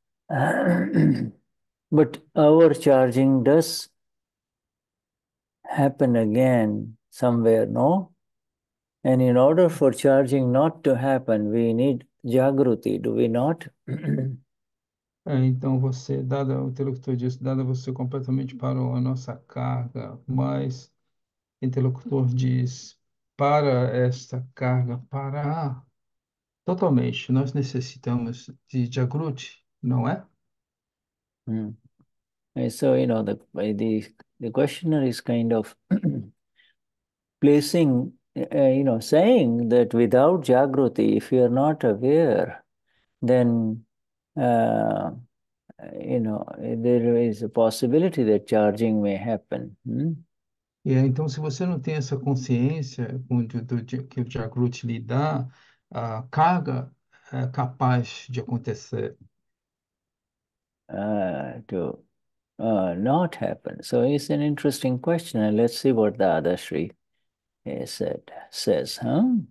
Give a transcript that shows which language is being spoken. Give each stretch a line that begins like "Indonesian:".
English: But our charging does happen again somewhere, no? And in order for charging not to happen, we need Jagruti, do we not?
Portuguese: Então você, dada o interlocutor disse, dada você completamente parou a nossa carga, mas interlocutor diz, para esta carga parar totalmente, nós necessitamos de Jagruti, não é?
English: So, the questioner is kind of placing, saying that without Jagruti, if you are not aware, then, there is a possibility that charging may happen.
Portuguese: Então, se você não tem essa consciência que o Jagruti lhe dá, a carga é capaz de acontecer.
English: Not happen. So it's an interesting question, and let's see what Dadashri says, huh?